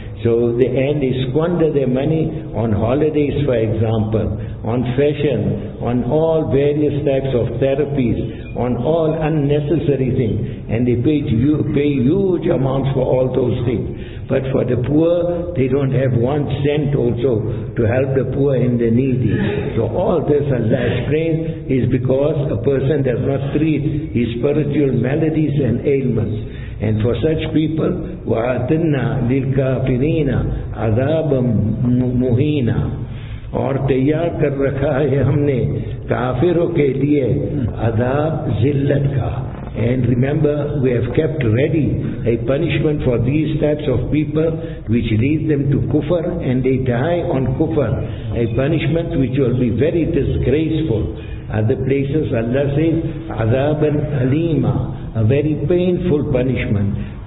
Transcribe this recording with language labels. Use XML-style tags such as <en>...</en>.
<en>So the end is squander their money on holidays, for example, on fashion, on all various types of therapies, on all unnecessary things, and they pay huge amounts for all those things. But for the poor, they don't have 1 cent also to help the poor and the needy. So all this, Allah explains, is because a person does not treat his spiritual maladies and ailments. And for such people,</en> <ar>وَعَتِنَّا لِلْكَافِرِينَ عَذَابًا مُهِينًا</ar> <ur>اور تیار کر رکھا ہے ہم نے کافروں کے لیے عذاب ذلت کا.</ur> <en>And remember, we have kept ready a punishment for these types of people which lead them to kufr, and they die on kufr, a punishment which will be very disgraceful. Other places Allah says</en> <ar>عَذَابًا أَلِيمًا,</ar> <en>a very painful punishment.</en>